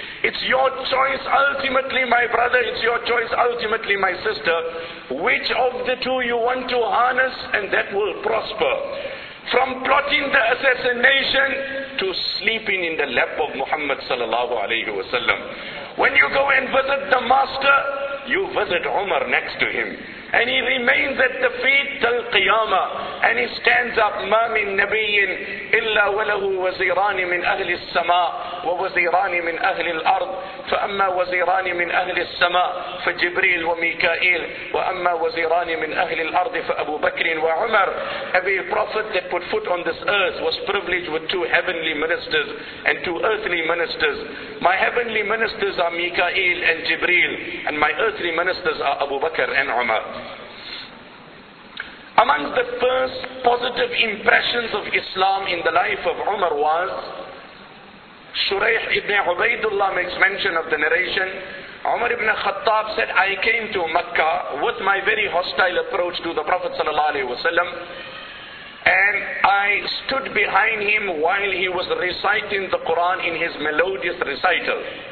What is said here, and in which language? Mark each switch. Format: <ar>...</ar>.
<en>It's your choice ultimately, my brother, it's your choice ultimately, my sister, which of the two you want to harness, and that will prosper. From plotting the assassination to sleeping in the lap of Muhammad sallallahu alayhi wa sallam. When you go and visit the master, you visit Umar next to him. And he remains at the feet till Qiyamah. And he stands up,</en> <ar>مَا مِن نَبِيٍ إِلَّا وَلَهُ وَزِيرَانِ مِنْ أَهْلِ السَّمَاءِ وَوَزِيرَانِ مِنْ أَهْلِ الْأَرْضِ فَأَمَّا وَزِيرَانِ مِنْ أَهْلِ السَّمَاءِ فَجِبْرِيلُ وَمِيكَائِيلُ وَأَمَّا وَزِيرَانِ مِنْ أَهْلِ الْأَرْضِ فَأَبُو بَكْرٍ وَعُمَرُ.</ar> <en>Every prophet that put foot on this earth was privileged with two heavenly ministers and two earthly ministers. My heavenly ministers are Mikael and Jibreel, and my earthly ministers are Abu Bakr and Umar. Amongst the first positive impressions of Islam in the life of Umar was, Shuraih ibn Ubaidullah makes mention of the narration, Umar ibn Khattab said, I came to Makkah with my very hostile approach to the Prophet sallallahu alaihi wasallam, and I stood behind him while he was reciting the Quran in his melodious recital.</en>